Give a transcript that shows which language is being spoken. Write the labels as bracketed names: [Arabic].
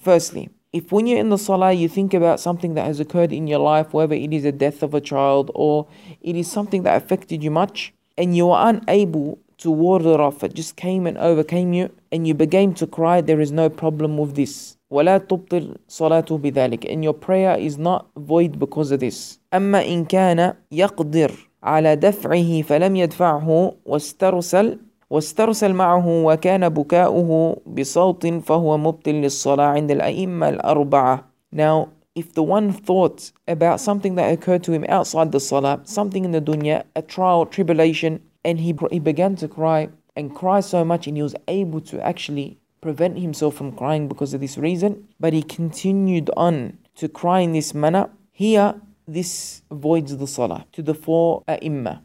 [English] Firstly, if when you're in the salah, you think about something that has occurred in your life, whether it is a death of a child or it is something that affected you much, and you are unable to ward it off, it just came and overcame you, and you began to cry, there is no problem with this. [Arabic] وَلَا تُبْطِلْ صَلَاتُ بِذَلِكَ. [English] And your prayer is not void because of this. [Arabic] أَمَّا إِنْ كَانَ يَقْدِرْ عَلَى دَفْعِهِ فَلَمْ يَدْفَعْهُ واسترسل معه وكان بكاؤه بصوت فهو مبطل للصلاة عند الأئمة الأربعة. [English] Now, if the one thought about something that occurred to him outside the salah, something in the dunya, a trial, tribulation, and he began to cry and cry so much, and he was able to actually prevent himself from crying because of this reason, but he continued on to cry in this manner, here this voids the salah to the four a'imma.